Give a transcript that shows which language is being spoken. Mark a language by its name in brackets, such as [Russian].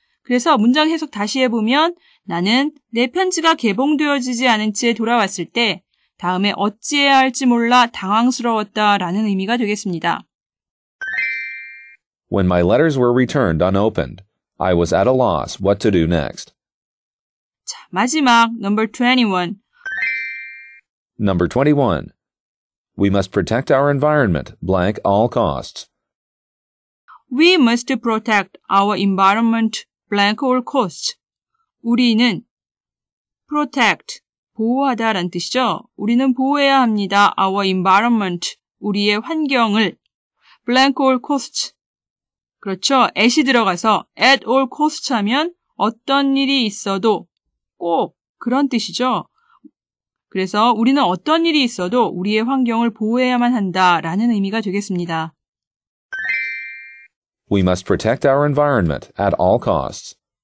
[Korean] 그래서 문장 해석 다시 해보면 나는 내 편지가 개봉되어지지 않은 채 돌아왔을 때 다음에 어찌해야 할지 몰라 당황스러웠다 라는 의미가 되겠습니다. [English] When my letters were returned unopened, I was at a loss what to do next. [Korean] 자, 마지막, [English] number 21. Number 21. We must protect our environment, blank all costs. We must protect our environment, blank all costs. [Korean] 우리는 protect, 보호하다 라는 뜻이죠. 우리는 보호해야 합니다. [English] our environment, [Korean] 우리의 환경을, [English] blank all costs. [Korean] 그렇죠. at이 들어가서 at all costs 하면 어떤 일이 있어도 꼭 그런 뜻이죠. 그래서 우리는 어떤 일이 있어도 우리의 환경을 보호해야만 한다라는 의미가 되겠습니다. [English] We must protect our environment at all costs.